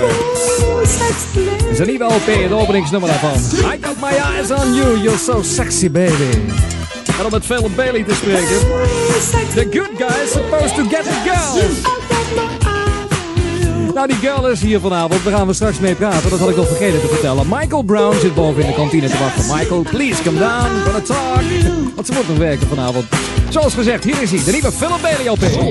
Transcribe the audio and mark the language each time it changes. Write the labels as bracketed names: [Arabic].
[Dutch] Het is een nieuwe LP, het openingsnummer daarvan. [English] I got my eyes on you, you're so sexy baby. [Dutch] En om met Phil Bailey te spreken. [English] The good guy is supposed to get a girl. [Dutch] Nou, die girl is hier vanavond, daar gaan we straks mee praten. Dat had ik nog vergeten te vertellen. Michael Brown zit boven in de kantine te wachten. Michael, [English] please come down, gonna talk. [Dutch] Want ze moet nog werken vanavond. Zoals gezegd, hier is hij, de nieuwe Phil Bailey LP.